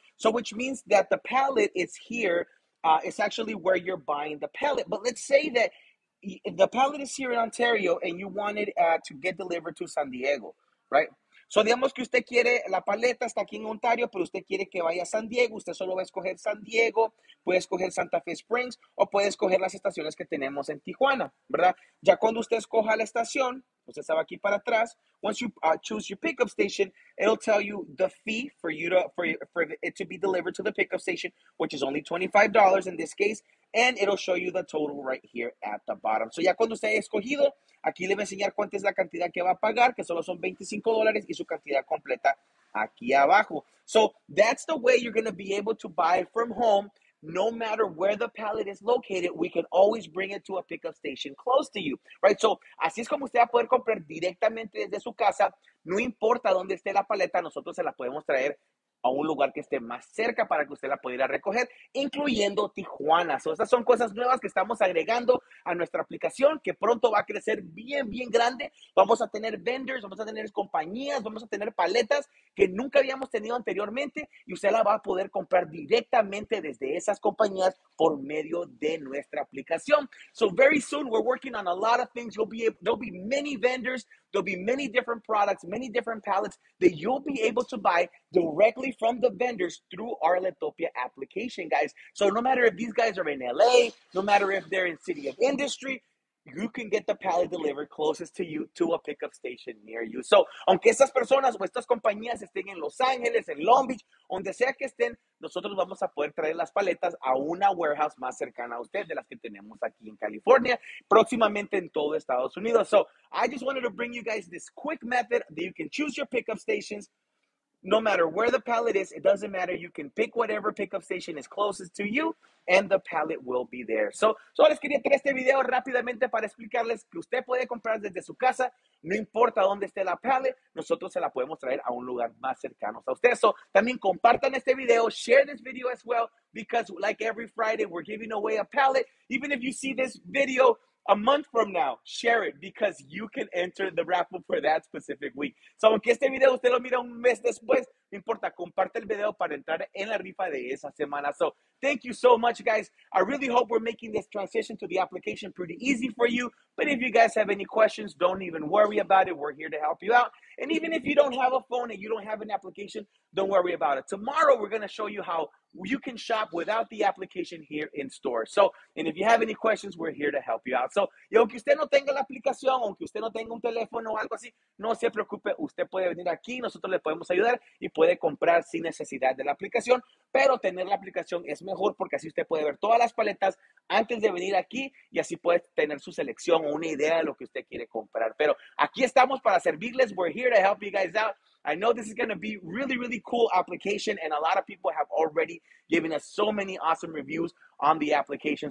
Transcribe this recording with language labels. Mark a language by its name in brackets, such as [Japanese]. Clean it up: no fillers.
[English] So, which means that the pallet is here. It's actually where you're buying the pallet. But let's say that the pallet is here in Ontario and you want it to get delivered to San Diego, right? [Spanish] So, digamos que usted quiere la paleta, está aquí en Ontario, pero usted quiere que vaya a San Diego. Usted solo va a escoger San Diego, puede escoger Santa Fe Springs o puede escoger las estaciones que tenemos en Tijuana, ¿verdad? Ya cuando usted escoja la estación, usted estaba aquí para atrás. [English] Once you choose your pickup station, it'll tell you the fee for you to for it to be delivered to the pickup station, which is only $25 in this case, and it'll show you the total right here at the bottom. [Spanish] So ya cuando usted haya escogido, aquí le va a enseñar cuánta es la cantidad que va a pagar, que solo son $25, y su cantidad completa aquí abajo. [English] So that's the way you're going to be able to buy from home. No matter where the pallet is located, we can always bring it to a pickup station close to you, right? [Spanish] So, así es como usted va a poder comprar directamente desde su casa. No importa dónde esté la paleta, nosotros se la podemos traer a un lugar que esté más cerca para que usted la pudiera recoger, incluyendo Tijuana. So, estas son cosas nuevas que estamos agregando a nuestra aplicación, que pronto va a crecer bien, bien grande. Vamos a tener vendors, vamos a tener compañías, vamos a tener paletas que nunca habíamos tenido anteriormente, y usted la va a poder comprar directamente desde esas compañías por medio de nuestra aplicación. [English] So, very soon, we're working on a lot of things. There'll be many vendors. There'll be many different products, many different pallets that you'll be able to buy directly from the vendors through our Letopia application, guys. So no matter if these guys are in LA, no matter if they're in City of Industry, you can get the pallet delivered closest to you to a pickup station near you. [Spanish] So, aunque estas personas o estas compañías estén en Los Ángeles, en Long Beach, donde sea que estén, nosotros vamos a poder traer las paletas a una warehouse más cercana a usted de las que tenemos aquí en California, próximamente en todo Estados Unidos. [English] So, I just wanted to bring you guys this quick method that you can choose your pickup stations. No matter where the pallet is, it doesn't matter. You can pick whatever pickup station is closest to you and the pallet will be there. [Spanish] So les quería traer este video rápidamente para explicarles que usted puede comprar desde su casa. No importa dónde esté la pallet, nosotros se la podemos traer a un lugar más cercano a usted. [English] So [Spanish] también compartan este video, [English] share this video as well, because like every Friday, we're giving away a pallet. Even if you see this video a month from now, share it because you can enter the raffle for that specific week. [Spanish] So, aunque este video usted lo mira un mes después, no importa, comparte el video para entrar en la rifa de esa semana. [English] So, thank you so much, guys. I really hope we're making this transition to the application pretty easy for you. But if you guys have any questions, don't even worry about it. We're here to help you out. And even if you don't have a phone and you don't have an application, don't worry about it. Tomorrow, we're going to show you how you can shop without the application here in store. So, and if you have any questions, we're here to help you out. [Spanish] So, y aunque usted no tenga la aplicación, aunque usted no tenga un teléfono o algo así, no se preocupe, usted puede venir aquí, nosotros le podemos ayudar y puede comprar sin necesidad de la aplicación. Pero tener la aplicación es mejor porque así usted puede ver todas las paletas antes de venir aquí y así puede tener su selección o una idea de lo que usted quiere comprar. Pero aquí estamos para servirles. [English] We're here to help you guys out. I know this is going to be really, really cool application and a lot of people have already given us so many awesome reviews on the application.